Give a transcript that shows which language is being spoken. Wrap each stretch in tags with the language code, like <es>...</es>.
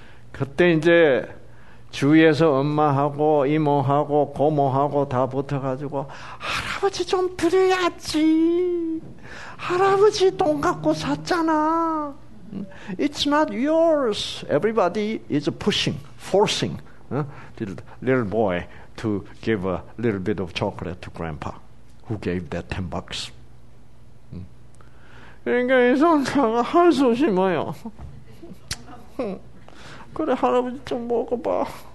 <ko>그때 이제 주위에서 엄마하고 이모하고 고모하고 다 붙어가지고 할아버지 좀 드려야지. 할아버지 돈 갖고 샀잖아.</ko> <en>It's not yours. Everybody is pushing, forcing little boy to give a little bit of chocolate to grandpa who gave that 10 bucks.</en> <ko>그러니까 이 손자가 할 수 없이 뭐요. 그래 할아버지 좀 먹어봐.</ko>